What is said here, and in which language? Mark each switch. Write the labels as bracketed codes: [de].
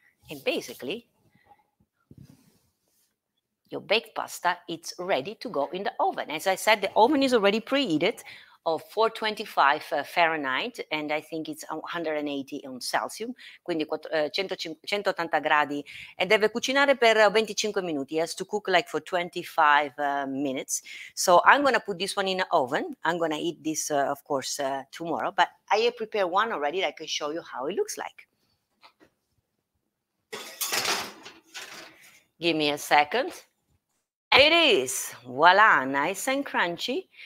[en] And basically, your baked pasta, it's ready to go in the oven. As I said, the oven is already preheated of 425 Fahrenheit, and I think it's 180 on Celsius, [it] quindi 180 gradi. And deve cucinare per 25 minuti. [en] It has to cook like for 25 minutes. So I'm going to put this one in the oven. I'm going to eat this, of course, tomorrow, but I have prepared one already that I can show you how it looks like. Give me a second. It is, voila, nice and crunchy.